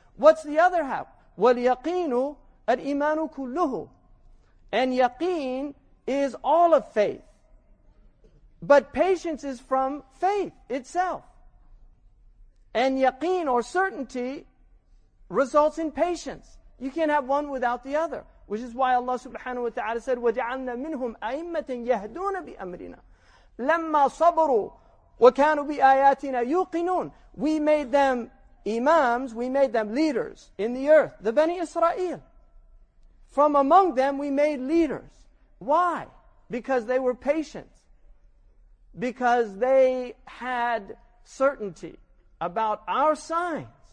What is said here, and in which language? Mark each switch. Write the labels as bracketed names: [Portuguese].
[English] What's the other half? [Arabic] وَالْيَقِينُ الْإِيمَانُ كُلُّهُ. [English] And yaqeen is all of faith. But patience is from faith itself. And yaqeen or certainty results in patience. You can't have one without the other. Which is why Allah subhanahu wa ta'ala said, [Arabic] وَجَعَلْنَا مِنْهُمْ أَئِمَّةً يَهْدُونَ بِأَمْرِنَا لَمَّا صَبَرُوا وَكَانُوا بِآيَاتِنَا يُوقِنُونَ. [English] We made them imams, we made them leaders in the earth. The Bani Israel. From among them we made leaders. Why? Because they were patient. Because they had certainty about our signs.